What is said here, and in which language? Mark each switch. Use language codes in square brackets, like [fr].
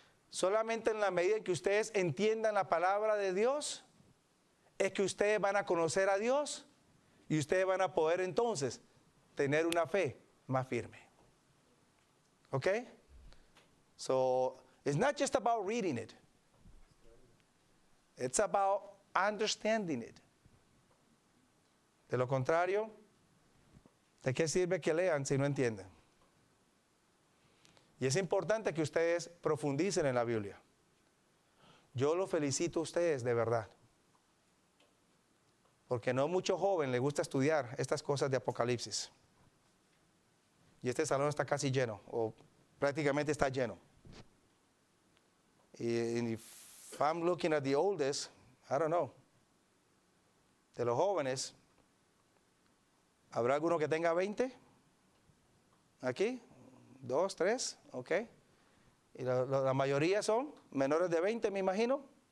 [es] Solamente en la medida en que ustedes entiendan la palabra de Dios, es que ustedes van a conocer a Dios y ustedes van a poder entonces tener una fe más firme. ¿Ok? [en] So, it's not just about reading it. It's about understanding it. [es] De lo contrario, ¿de qué sirve que lean si no entienden? Y es importante que ustedes profundicen en la Biblia. Yo lo felicito a ustedes de verdad. Porque no mucho joven le gusta estudiar estas cosas de Apocalipsis. Y este salón está casi lleno, o prácticamente está lleno. Y [en] if I'm looking at the oldest, I don't know. [es] De los jóvenes, ¿habrá alguno que tenga 20? ¿Aquí? Dos, tres, ok. Y la mayoría son menores de 20, me imagino.